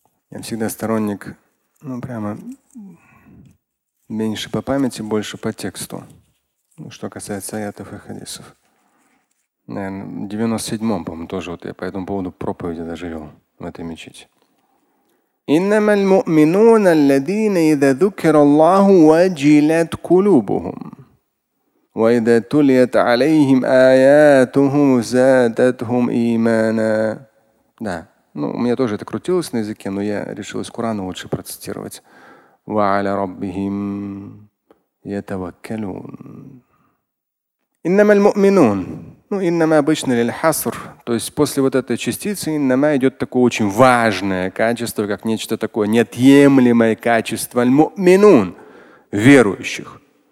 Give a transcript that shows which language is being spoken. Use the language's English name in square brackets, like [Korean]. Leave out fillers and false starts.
[Russian] Я всегда сторонник, ну прямо, меньше по памяти, больше по тексту. Ну, что касается аятов и хадисов. Наверное, в 97-м, по-моему, тоже вот я по этому поводу проповеди даже вел в этой мечети. [Arabic] إنما المؤمنون الذين إذا ذكر الله وجلت قلوبهم وإذا تليت عليهم آياته زادتهم إيمانا. [Russian] Да, ну у меня тоже это крутилось на языке, но я решил из Корана лучше процитировать. [Arabic] وعلى ربهم يتوكلون. إنما المؤمنون. [Russian] Ну, иннама обычно лиль-хаср, то есть после вот этой частицы иннама идет такое очень важное качество, как нечто такое неотъемлемое качество аль-му'минун, верующих.